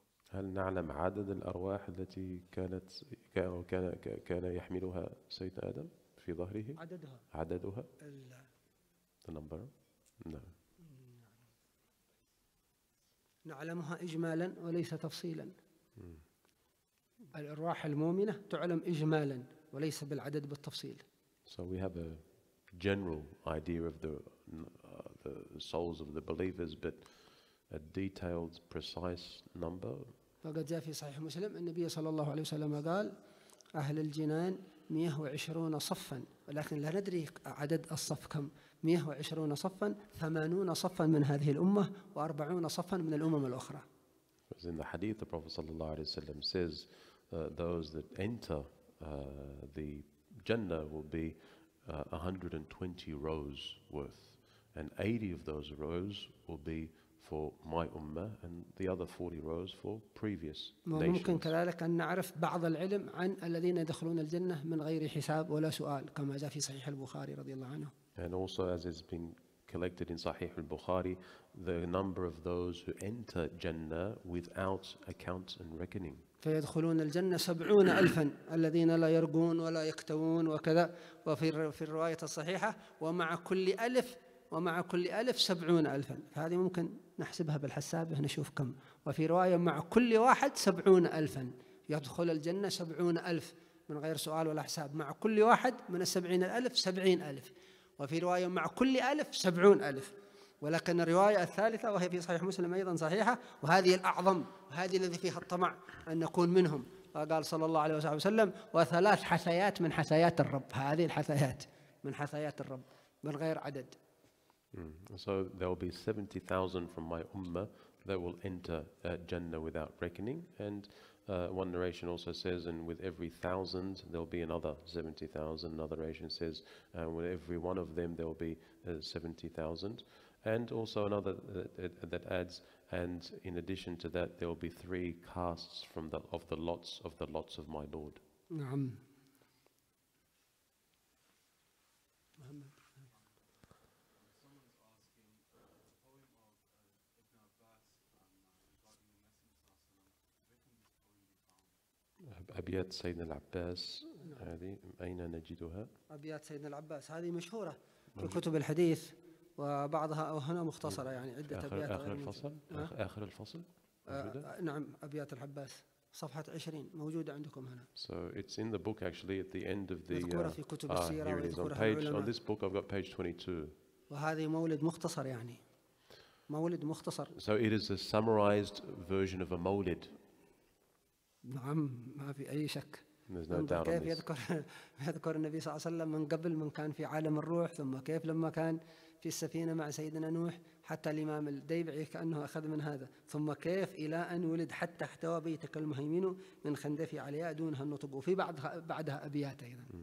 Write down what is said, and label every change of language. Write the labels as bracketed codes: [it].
[ar] هل نعلم عدد الأرواح التي كانت كان يحملها سيد آدم في ظهره؟ عددها؟ لا. [en] The number? No. [ar] نعلمها إجمالاً وليس تفصيلاً. الأرواح المؤمنة تعلم إجمالاً. وليس بالعدد بالتفصيل. [en] So we have a general idea of the souls of the believers, but a detailed, precise number. [ar] فقد جاء في صحيح مسلم النبي صلى الله عليه وسلم قال أهل الجنان 120 صفا ولكن لا ندري عدد الصف كم 120 صفا 80 صفا من هذه الأمة و40 صفا من الأمم الأخرى. [en] Because in the hadith, the Prophet [ar] صلى الله عليه وسلم [en] says those that enter the Jannah will be 120 rows worth, and 80 of those rows will be for my ummah, and the other 40 rows for previous nations. [ar] ممكن كذلك أن نعرف بعض العلم عن الذين يدخلون الجنة من غير حساب ولا سؤال كما جاء في صحيح البخاري رضي الله عنه. [en] And also, as has been collected in Sahih al-Bukhari, the number of those who enter Jannah without account and reckoning. [ar] فيدخلون الجنة 70,000 الذين لا يرقون ولا يكتوون وكذا وفي الرواية الصحيحة ومع كل ألف 70,000 هذه ممكن نحسبها بالحساب نشوف كم وفي رواية مع كل واحد 70,000 يدخل الجنة 70,000 من غير سؤال ولا حساب مع كل واحد من 70,000 70,000 وفي رواية مع كل ألف 70,000 ولكن الرواية الثالثة وهي في صحيح مسلم أيضا صحيحة وهذه الأعظم وهذه الذي فيها الطمع أن نكون منهم قال صلى الله عليه وسلم وثلاث حثيات من حثيات الرب هذه الحثيات من حثيات الرب من غير عدد. [en] So there will be 70,000 from my ummah that will enter Jannah without reckoning, and one narration also says, and with every 1,000 there will be another 70,000. Another narration says, and with every one of them there will be 70,000. And also another that adds, and in addition to that, there will be 3 castes from the lots of my Lord. [ar] نعم. أبيات سيدنا العباس هذه أين نجدها؟ أبيات سيدنا العباس هذه مشهورة في كتب الحديث. وبعضها أو هنا مختصرة يعني عدة أبيات آخر الفصل آخر الفصل نعم أبيات العباس صفحة 20 موجودة عندكم هنا. [en] So it's in the book actually at the end of the [ar] مذكورة في كتب السيرة [en] here it is on this book I've got page 22 [ar] وهذه مولد مختصر يعني مولد مختصر. [en] So it is a summarized version of a مولد. [ar] نعم ما في أي شك. [en] There's no doubt. [ar] كيف يذكر يذكر النبي صلى الله عليه وسلم من قبل من كان في عالم الروح ثم كيف لما كان في السفينة مع سيدنا نوح حتى الإمام الديبعي كأنه أخذ من هذا ثم كيف إلى أن ولد حتى احتوى بيتك المهيمين من خندفي عليا دونها النطب وفي بعدها أبيات أيضا.